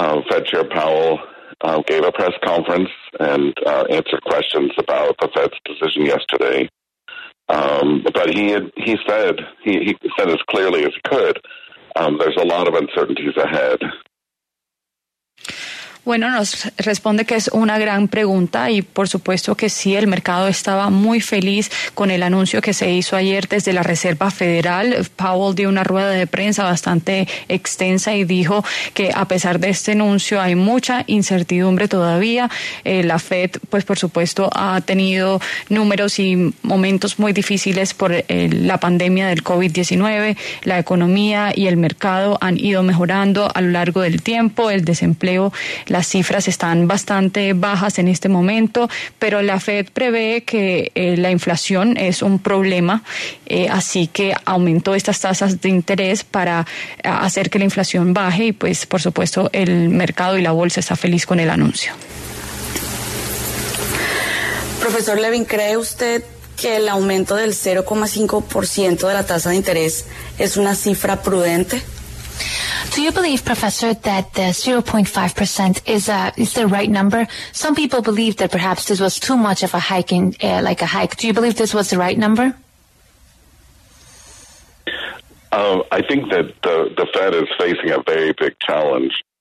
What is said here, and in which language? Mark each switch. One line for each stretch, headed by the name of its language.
English: Fed Chair Powell gave a press conference and answered questions about the Fed's decision yesterday. But he said as clearly as he could, there's a lot of uncertainties ahead.
Spanish: Bueno, nos responde que es una gran pregunta y por supuesto que sí, el mercado estaba muy feliz con el anuncio que se hizo ayer desde la Reserva Federal. Powell dio una rueda de prensa bastante extensa y dijo que a pesar de este anuncio hay mucha incertidumbre todavía. La Fed, pues por supuesto, ha tenido números y momentos muy difíciles por la pandemia del COVID-19. La economía y el mercado han ido mejorando a lo largo del tiempo, el desempleo. Las cifras están bastante bajas en este momento, pero la Fed prevé que la inflación es un problema, así que aumentó estas tasas de interés para hacer que la inflación baje y, pues, por supuesto, el mercado y la bolsa está feliz con el anuncio. Profesor Levin, ¿cree usted que el aumento del 0.5% de la tasa de interés es una cifra prudente?
English: Do you believe, Professor, that the 0.5% is the right number? Some people believe that perhaps this was too much of a hike in, like a hike. Do you believe this was the right number? I think that the Fed is facing a very big challenge.